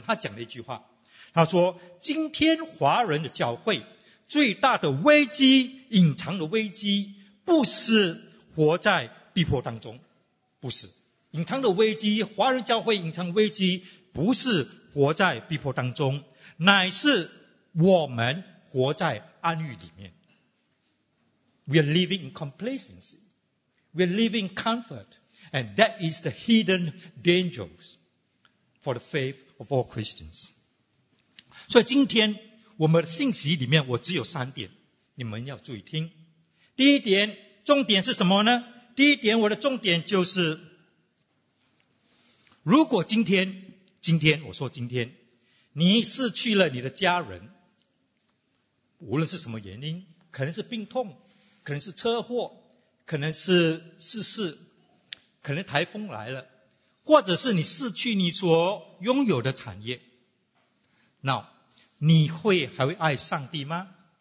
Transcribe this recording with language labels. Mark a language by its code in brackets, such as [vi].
[zh] 他讲了一句话，他说，今天华人的教会最大的危机，隐藏的危机，不是活在逼迫当中，不是隐藏的危机，华人教会隐藏危机不是活在逼迫当中，乃是我们活在安逸里面。 [en] We are living in complacency, we are living in comfort, and that is the hidden dangers for the faith of all Christians. [zh] 所以今天我们的信息里面我只有三点，你们要注意听。第一点，重点是什么呢？第一点，我的重点就是，如果今天我说今天你失去了你的家人，无论是什么原因，可能是病痛，可能是车祸，可能是逝世，可能台风来了，或者是你失去你所拥有的产业，那你会还会爱上帝吗？